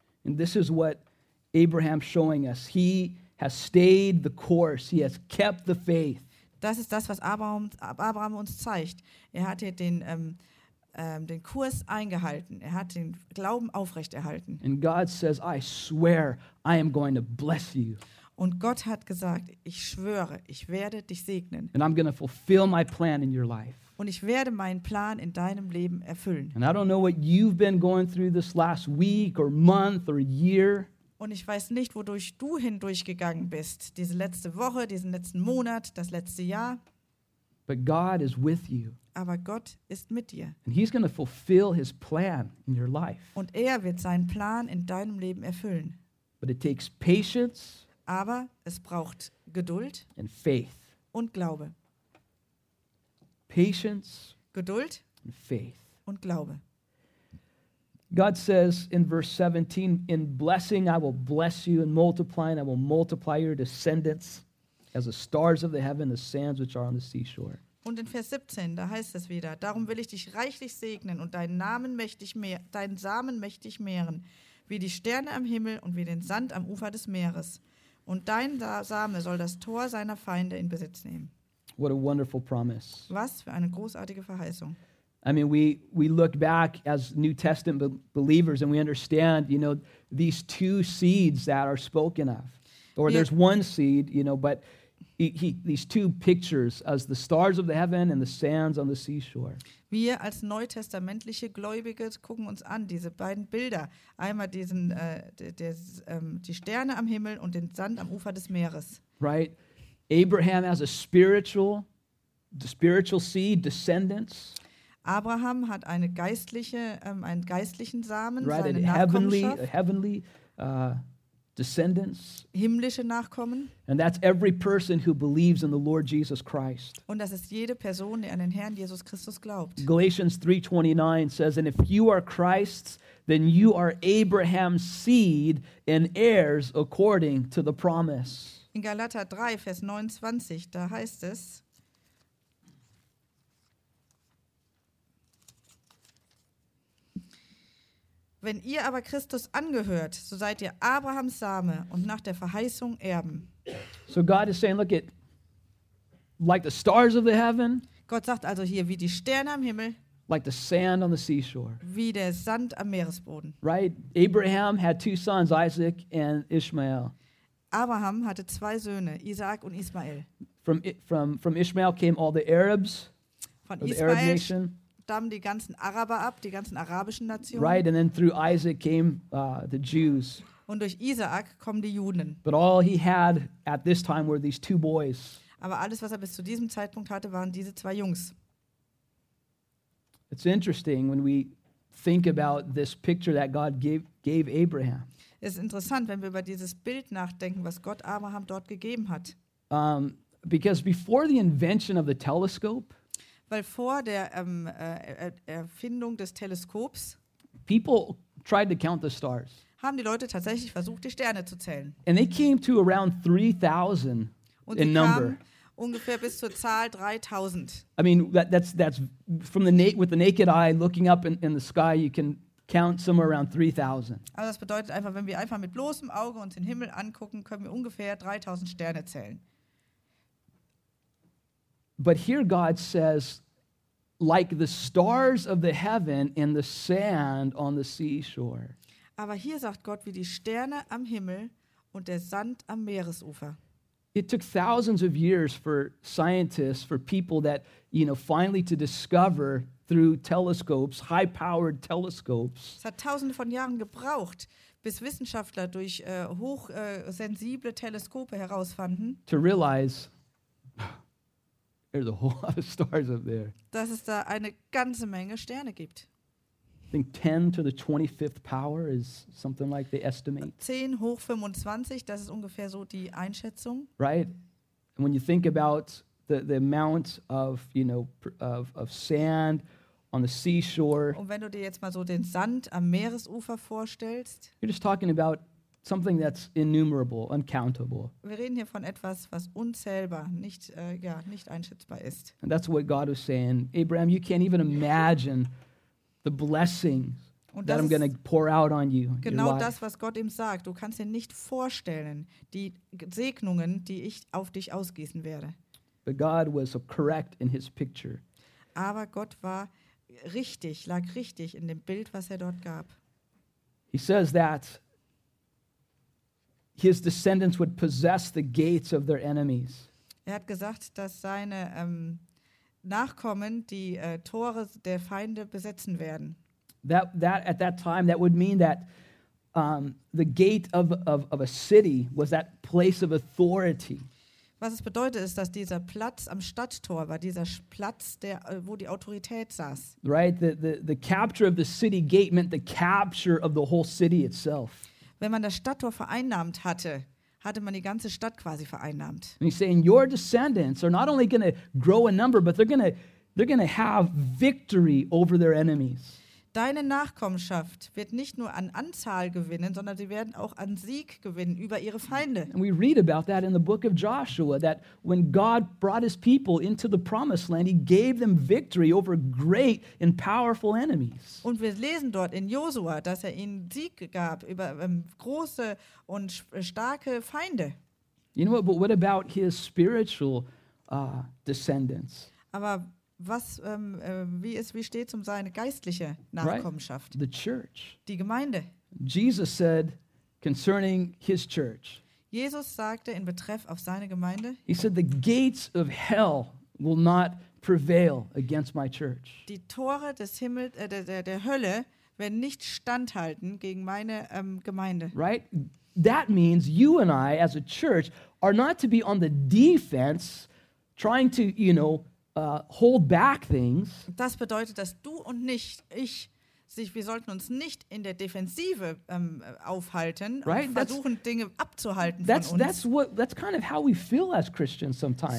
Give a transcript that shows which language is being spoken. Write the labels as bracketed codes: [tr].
[en] And this is what Abraham's showing us. He has stayed the course. He has kept the faith. [de] Das ist das, was Abraham uns zeigt. Er hat hier den Kurs eingehalten. Er hat den Glauben aufrechterhalten. [en] And God says, I swear, I am going to bless you. [de] Und Gott hat gesagt, ich schwöre, ich werde dich segnen. [en] And I'm going to fulfill my plan in your life. [de] Und ich werde meinen Plan in deinem Leben erfüllen. [en] And I don't know what you've been going through this last week or month or year. [de] Und ich weiß nicht, wodurch du hindurchgegangen bist, diese letzte Woche, diesen letzten Monat, das letzte Jahr. [en] But God is with you. [de] Aber Gott ist mit dir. [en] And he's going to fulfill his plan in your life. [de] Und er wird seinen Plan in deinem Leben erfüllen. [en] But it takes patience. [de] Aber es braucht Geduld. [en] And faith. [de] Und Glaube. [en] Patience. [de] Geduld. [en] And faith. [de] Und Glaube. [en] God says in verse 17, in blessing I will bless you, in multiplying I will multiply your descendants as the stars of the heaven, the sands which are on the seashore. [de] Und in Vers 17, da heißt es wieder, darum will ich dich reichlich segnen und deinen Samen mächtig mehren, wie die Sterne am Himmel und wie den Sand am Ufer des Meeres. Und dein Same soll das Tor seiner Feinde in Besitz nehmen. [en] What a wonderful promise. [de] Was für eine großartige Verheißung. [en] I mean, we look back as New Testament believers and we understand, you know, these two seeds that are spoken of. Or there's one seed, you know, but these two pictures as the stars of the heaven and the sands on the seashore. [de] Wir als neutestamentliche Gläubige gucken uns an, diese beiden Bilder. Einmal diesen, die Sterne am Himmel und den Sand am Ufer des Meeres. [en] Right? Abraham as a spiritual seed, descendants. [de] Abraham hat eine geistliche, einen geistlichen Samen, [en] right, [de] seine Nachkommenschaft. [en] Heavenly descendants. [de] Himmlische Nachkommen. [en] And that's every person who believes in the Lord Jesus Christ. [de] Und das ist jede Person, die an den Herrn Jesus Christus glaubt. [en] Galatians 3:29 says, and if you are Christ's, then you are Abraham's seed and heirs according to the promise. [de] In Galater 3, Vers 29, da heißt es, wenn ihr aber Christus angehört, so seid ihr Abrahams Same und nach der Verheißung Erben. [en] So God is saying, look at like the stars of the heaven. [de] Gott sagt also hier wie die Sterne am Himmel. [en] Like the sand on the seashore. [de] Wie der Sand am Meeresboden. [en] Right? Abraham had two sons, Isaac and Ishmael. [de] Abraham hatte zwei Söhne, Isaac und Ismael. [en] From Ishmael came all the Arabs. [de] Von Ismael. [en] The Arab nation. [de] Stammen die ganzen Araber ab, die ganzen arabischen Nationen. [en] Right, and then through Isaac came the Jews. [de] Und durch Isaak kommen die Juden. [en] But all he had at this time were these two boys. [de] Aber alles, was er bis zu diesem Zeitpunkt hatte, waren diese zwei Jungs. [en] It's interesting when we think about this picture that God gave Abraham. [de] Es ist interessant, wenn wir über dieses Bild nachdenken, was Gott Abraham dort gegeben hat. [en] Because before the invention of the telescope. [de] Weil vor der Erfindung des Teleskops [en] people tried to count the stars. [de] Haben die Leute tatsächlich versucht, die Sterne zu zählen. [en] And they came to around 3,000 in number. [de] Ungefähr bis zur Zahl 3,000. [en] I mean, that's from the with the naked eye looking up in the sky, you can count somewhere around 3,000. [de] Also das bedeutet einfach, wenn wir einfach mit bloßem Auge uns den Himmel angucken, können wir ungefähr 3,000 Sterne zählen. [en] But here God says, like the stars of the heaven and the sand on the seashore. [de] Aber hier sagt Gott wie die Sterne am Himmel und der Sand am Meeresufer. [en] It took thousands of years for scientists, for people that, you know, finally to discover through telescopes, high-powered telescopes. [de] Es hat tausende von Jahren gebraucht, bis Wissenschaftler durch hochsensible Teleskope herausfanden. [en] To realize there's a whole lot of stars up there. [de] Dass es da eine ganze Menge Sterne gibt. [en] I think 10 to the 25th power is something like the estimate. [de] 10 hoch 25, das ist ungefähr so die Einschätzung. [en] Right? And when you think about the amount of, you know, of sand on the seashore. [de] Und wenn du dir jetzt mal so den Sand am Meeresufer vorstellst. [en] You're just talking about something that's innumerable, uncountable. [de] Wir reden hier von etwas, was unzählbar, nicht ja, nicht einschätzbar ist. [en] And that's what God was saying. Abraham, you can't even imagine the blessings that I'm going to pour out on you. [de] Genau das, was Gott ihm sagt. Du kannst dir nicht vorstellen, die Segnungen, die ich auf dich ausgießen werde. [en] But God was so correct in his picture. [de] Aber Gott war richtig, lag richtig in dem Bild, was er dort gab. [en] He says that his descendants would possess the gates of their enemies. [de] Er hat gesagt, dass seine Nachkommen die Tore der Feinde besetzen werden. [en] That at that time that would mean that the gate of a city was that place of authority. [de] Was es bedeutet ist, dass dieser Platz am Stadttor war, dieser Platz, der wo die Autorität saß. [en] Right, the capture of the city gate meant the capture of the whole city itself. [de] Wenn man das Stadttor vereinnahmt hatte, hatte man die ganze Stadt quasi vereinnahmt. [en] And he's saying your descendants are not only going to grow in number, but they're going to have victory over their enemies. [de] Deine Nachkommenschaft wird nicht nur an Anzahl gewinnen, sondern sie werden auch an Sieg gewinnen über ihre Feinde. [en] And we read about that in the book of Joshua, that when God brought his people into the promised land, he gave them victory over great and powerful enemies. [de] Und wir lesen dort in Josua, dass er ihnen Sieg gab über große und starke Feinde. [en] You know what, but what about his spiritual descendants? [de] Aber was, wie steht es um seine geistliche Nachkommenschaft? [en] Right. The church. [de] Die Gemeinde. [en] Jesus said concerning his church. [de] Jesus sagte in Betreff auf seine Gemeinde. [en] He said the gates of hell will not prevail against my church. [de] Die Tore des Himmels, der Hölle werden nicht standhalten gegen meine Gemeinde. [en] Right? That means you and I as a church are not to be on the defense trying to, you know, hold back things. [de] Das bedeutet, dass du und nicht ich sich, wir sollten uns nicht in der Defensive aufhalten, [en] right? [de] Und versuchen, [en] that's, [de] Dinge abzuhalten von [en] that's, [de] uns. [en] That's kind of how we feel as Christians sometimes.